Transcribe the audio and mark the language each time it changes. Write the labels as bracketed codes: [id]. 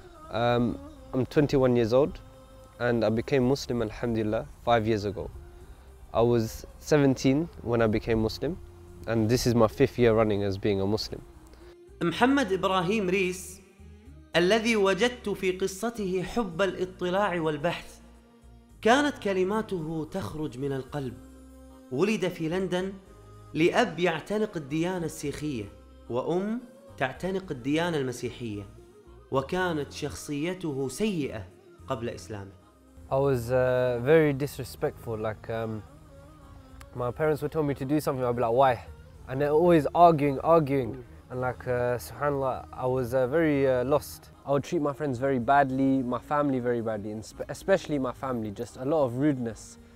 [en] I'm 21 years old and I became Muslim, alhamdulillah, 5 years ago. I was 17 when I became Muslim, and this is my fifth year running as being a Muslim. [ar] Mohammed Ibrahim Rhys, الذي وجدت في قصته حب الاطلاع والبحث كانت كلماته تخرج من القلب. ولد في لندن لأب يعتنق الديانة السيخية وأم تعتنق الديانة المسيحية وكانت شخصيته سيئة قبل إسلامه. [en] I was very disrespectful. Like my parents would tell me to do something, I'd be like, why? And they're always arguing. And like SubhanAllah, I was very lost. I would treat my friends very badly, my family very badly, and especially my family, just a lot of rudeness.